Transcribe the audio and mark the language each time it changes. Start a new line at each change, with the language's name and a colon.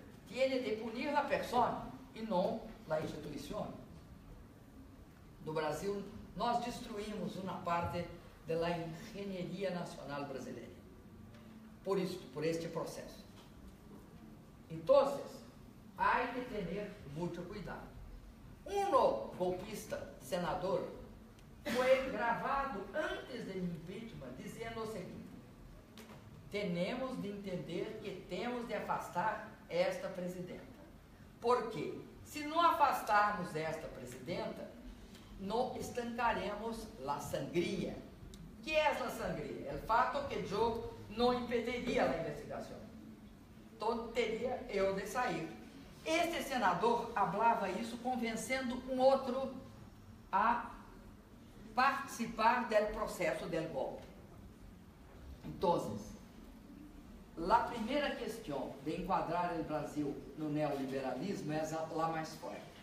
Portuguese: Tiene de punir a pessoa e não a instituição. No Brasil, nós destruímos uma parte da engenharia nacional brasileira, por isso, por este processo.
Spanish: Então, hay que tener mucho cuidado. Uno golpista, senador, fue grabado antes de mi impeachment diciendo lo siguiente: tenemos de entender que tenemos de afastar esta presidenta. ¿Por qué? Si no afastarmos esta presidenta, no estancaremos la sangría. ¿Qué es la sangría? El fato que yo no impediría la investigación. Todo tendría yo de salir.
Portuguese: Este senador hablaba isso convencendo um outro a participar do processo do golpe. Então, a primeira questão de enquadrar o Brasil no neoliberalismo é a mais forte.